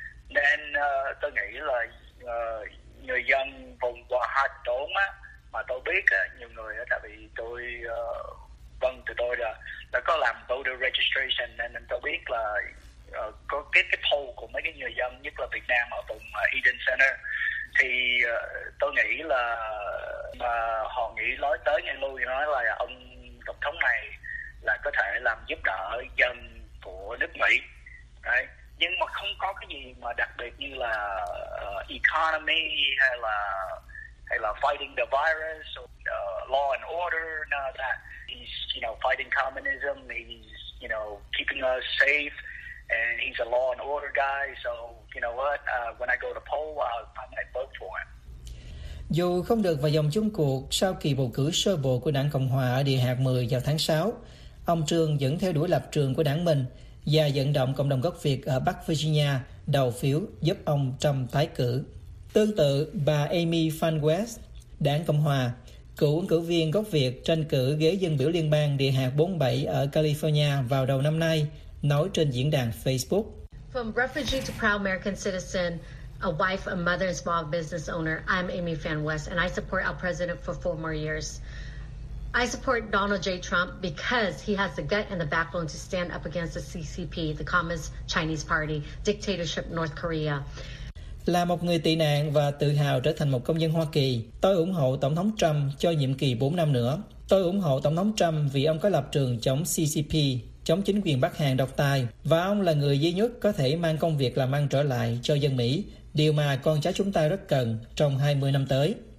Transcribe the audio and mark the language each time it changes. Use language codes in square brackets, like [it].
[vi] Nên tôi nghĩ là người dân vùng Hòa Hạt Đốn á, mà tôi biết nhiều người á, tại vì tôi vâng từ tôi đã có làm voter registration nên tôi biết là có cái poll của mấy cái người dân, nhất là Việt Nam ở vùng Eden Center, thì tôi nghĩ là mà họ nghĩ nói tới nghe lui nói là ông tổng thống này là có thể làm giúp đỡ dân của nước Mỹ. Đấy. Nhưng mà không có cái gì mà đặc biệt như là economy hay là [en] fighting the virus or law and order, none of that. He's, you know, fighting communism, he's, you know, keeping us safe, and he's a law and order guy, so you know what, when I go to poll, I might vote for him. [vi] Dù không được vào vòng chung cuộc sau kỳ bầu cử sơ bộ của Đảng Cộng hòa ở địa hạt 10 vào tháng 6, ông Trương vẫn theo đuổi lập trường của đảng mình và vận động cộng đồng gốc Việt ở Bắc Virginia đầu phiếu giúp ông Trump tái cử. Tương tự, bà Amy Van West, Đảng Cộng hòa, cựu ứng cử viên gốc Việt tranh cử ghế dân biểu liên bang địa hạt 47 ở California vào đầu năm nay, nói trên diễn đàn Facebook. [en] From refugee to proud American citizen, a wife, a mother, a small business owner, I'm Amy Van West, and I support our president for 4 more years. I support Donald J. Trump because he has the gut and the backbone to stand up against the CCP, the Communist Chinese Party, dictatorship North Korea. [vi] Là một người tị nạn và tự hào trở thành một công dân Hoa Kỳ, tôi ủng hộ Tổng thống Trump cho nhiệm kỳ 4 năm nữa. Tôi ủng hộ Tổng thống Trump vì ông có lập trường chống CCP, chống chính quyền Bắc Hàn độc tài, và ông là người duy nhất có thể mang công việc làm ăn trở lại cho dân Mỹ, điều mà con cháu chúng ta rất cần trong 20 năm tới.